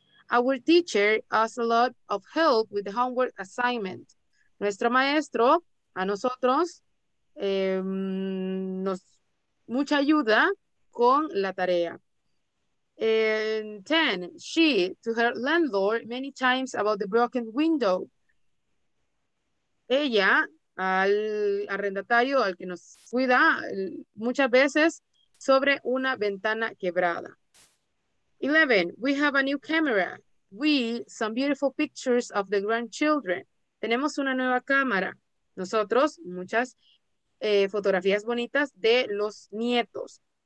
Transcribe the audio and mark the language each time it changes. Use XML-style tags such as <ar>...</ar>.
<en>Our teacher asked a lot of help with the homework assignment.</en> <es>Nuestro maestro a nosotros nos mucha ayuda con la tarea.</es> <en>And 10, she to her landlord many times about the broken window.</en> <es>Ella al arrendatario al que nos cuida muchas veces sobre una ventana quebrada.</es> <en>11, we have a new camera. We some beautiful pictures of the grandchildren.</en> <es>Tenemos una nueva cámara. Nosotros muchas fotografías bonitas de los nietos.</es>